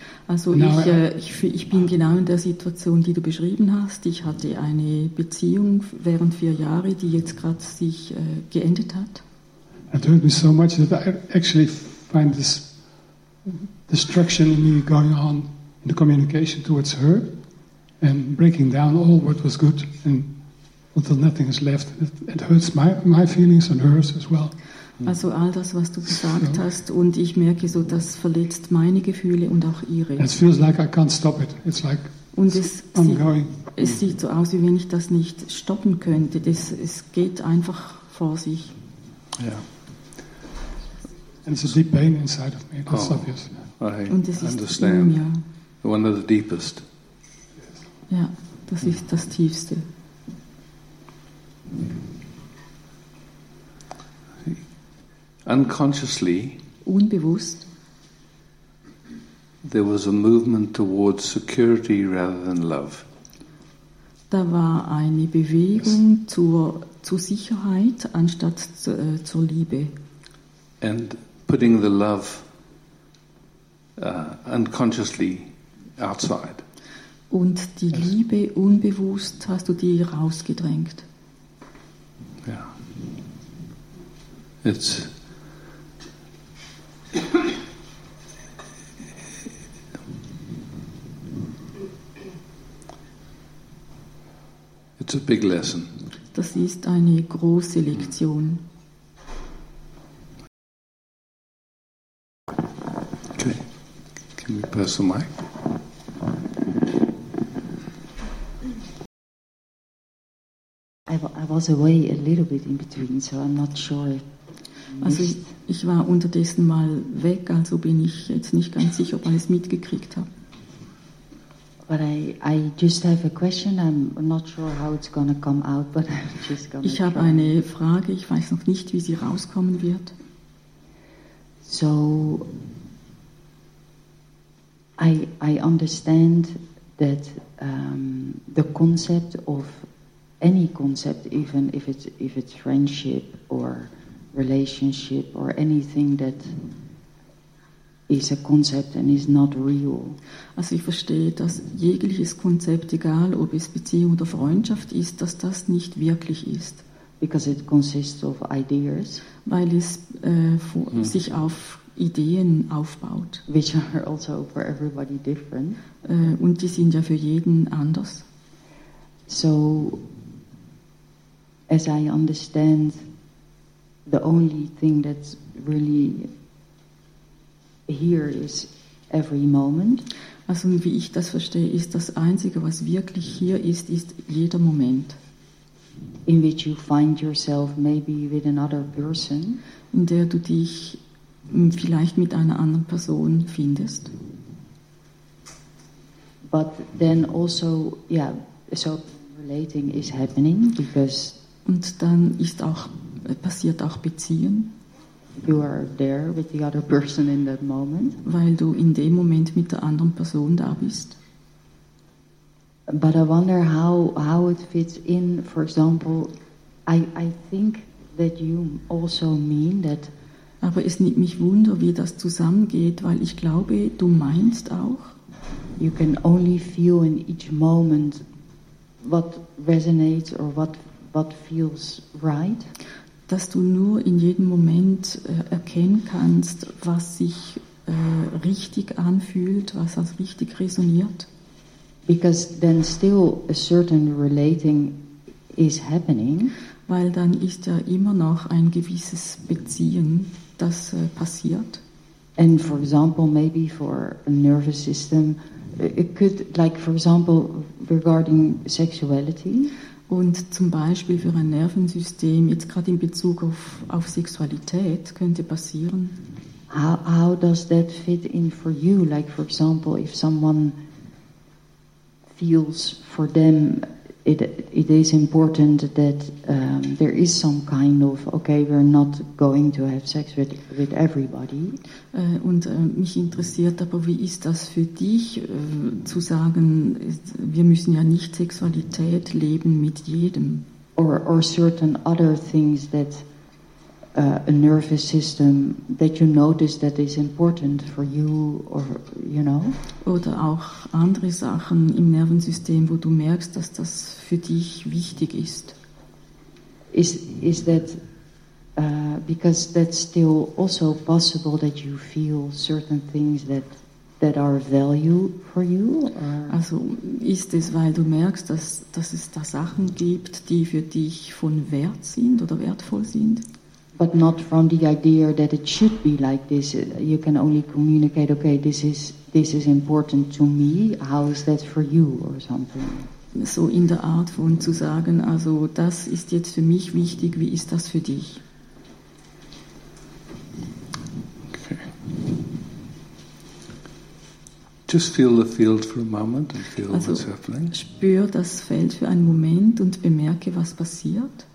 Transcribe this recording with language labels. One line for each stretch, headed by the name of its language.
German: Also ich bin genau in der Situation, die du beschrieben hast. Ich hatte eine Beziehung während 4 Jahre, die jetzt gerade sich geendet hat.
English: It hurt me so much that I actually find this destruction in me going on in the communication towards her and breaking down all what was good and until nothing is left. It hurts my feelings and hers as well.
German: Also all das, was du gesagt hast, und ich merke so, das verletzt meine Gefühle und auch ihre.
English: It feels like I can't stop it. It's like
German: und es
English: ongoing.
German: Es sieht so aus, wie wenn ich das nicht stoppen könnte. Es geht einfach vor sich. Ja. Yeah.
English: And it's a deep pain inside of me. That's obvious.
German: Und es ist in mir.
English: One of the deepest.
German: Ja, das ist das Tiefste.
English: Unconsciously,
German: unbewusst,
English: there was a movement towards security rather than love.
German: Da war eine Bewegung zur Sicherheit anstatt zur Liebe.
English: And putting the love unconsciously outside.
German: Und die Liebe unbewusst hast du die rausgedrängt.
English: Ja. It's It's a big lesson.
German: Das ist eine große Lektion.
English: Okay. Can we pass the mic? I was away a little bit in between, so I'm not sure.
German: Also ich war unterdessen mal weg, also bin ich jetzt nicht ganz sicher, ob ich es mitgekriegt habe.
English: But I just have a question. I'm not sure how it's gonna come out, but I'm just gonna.
German: Ich habe eine Frage. Ich weiß noch nicht, wie sie rauskommen wird.
English: So I understand that the concept of any concept, even if it's friendship or relationship or anything that is a concept and is not real.
German: Also ich verstehe, dass jegliches Konzept, egal ob es Beziehung oder Freundschaft ist, dass das nicht wirklich ist.
English: Because it consists of ideas.
German: Weil es sich auf Ideen aufbaut.
English: Which are also for everybody different.
German: Und die sind ja für jeden anders.
English: So, as I understand, the only thing that's really here is every moment.
German: Also wie ich das verstehe, ist das Einzige, was wirklich hier ist, ist jeder Moment.
English: In which you find yourself maybe with another person.
German: In der du dich vielleicht mit einer anderen Person findest.
English: But then also, yeah, so relating is happening because.
German: Und dann ist auch passiert auch Beziehen.
English: You are there with the other person in that moment.
German: Weil du in dem Moment mit der anderen Person da bist.
English: But I wonder how it fits in. For example, I think that you also mean that.
German: Aber es nimmt mich wunder, wie das zusammengeht, weil ich glaube, du meinst auch.
English: You can only feel in each moment what resonates or what feels right.
German: Dass du nur in jedem Moment erkennen kannst, was sich richtig anfühlt, was als richtig resoniert.
English: Because then still a certain relating is happening.
German: Weil dann ist ja immer noch ein gewisses Beziehen, das passiert.
English: And for example, maybe for a nervous system, it could, like for example, regarding sexuality.
German: Und zum Beispiel für ein Nervensystem, jetzt gerade in Bezug auf Sexualität, könnte passieren.
English: How does that fit in for you? Like for example, if someone feels for them it is important that there is some kind of, okay, we're not going to have sex with everybody.
German: Und mich interessiert aber, wie ist das für dich, zu sagen, wir müssen ja nicht Sexualität leben mit jedem.
English: Or certain other things that a nervous system, that you notice that is important for you, or, you know?
German: Oder auch andere Sachen im Nervensystem, wo du merkst, dass das für dich wichtig ist.
English: Is that, because that's still also possible that you feel certain things that are value for you? Or?
German: Also ist es, weil du merkst, dass es da Sachen gibt, die für dich von Wert sind oder wertvoll sind?
English: But not from the idea that it should be like this. You can only communicate, okay, this is important to me. How is that for you or something?
German: So in der Art von zu sagen, also das ist jetzt für mich wichtig. Wie ist das für dich?
English: Okay. Just feel the field for a moment and feel
German: also
English: what's happening.
German: Spür das Feld für einen Moment und bemerke, was passiert.